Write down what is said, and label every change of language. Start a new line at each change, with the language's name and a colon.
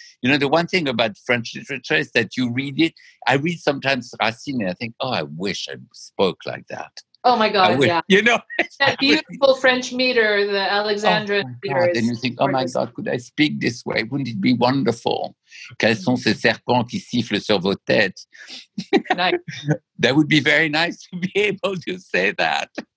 English: You know, the one thing about French literature is that you read it. I read sometimes Racine and I think, oh, I wish I spoke like that. Oh my God, yeah. You know? That beautiful French meter, the Alexandra. Oh, and you think, oh my God, could I speak this way? Wouldn't it be wonderful?
French: Quels sont ces serpents qui sifflent sur vos têtes?
English: Nice. That would be very nice to be able to say that.